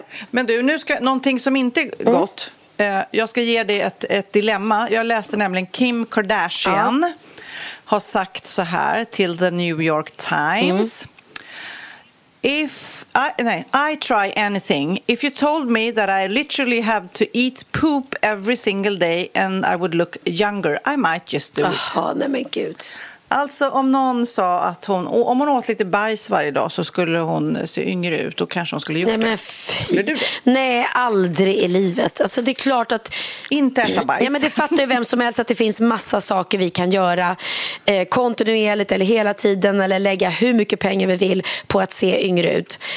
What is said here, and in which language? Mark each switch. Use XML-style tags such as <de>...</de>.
<sv>Men du, nu ska någonting som inte är gott. Jag ska ge dig ett dilemma. Jag läste nämligen Kim Kardashian har sagt så här till The New York Times.</sv> <en>I try anything. If you told me that I literally have to eat poop every single day and I would look younger, I might just do it.</en> <sv>Jaha, nej men gud. Alltså, om någon sa att hon... Om hon åt lite bajs varje dag så skulle hon se yngre ut, och kanske hon skulle göra det. Nej, men skulle du det? Nej, aldrig i livet. Alltså, det är klart att... Inte äta bajs. Ja, men det fattar ju vem som helst att det finns massa saker vi kan göra kontinuerligt eller hela tiden, eller lägga hur mycket pengar vi vill på att se yngre ut.</sv>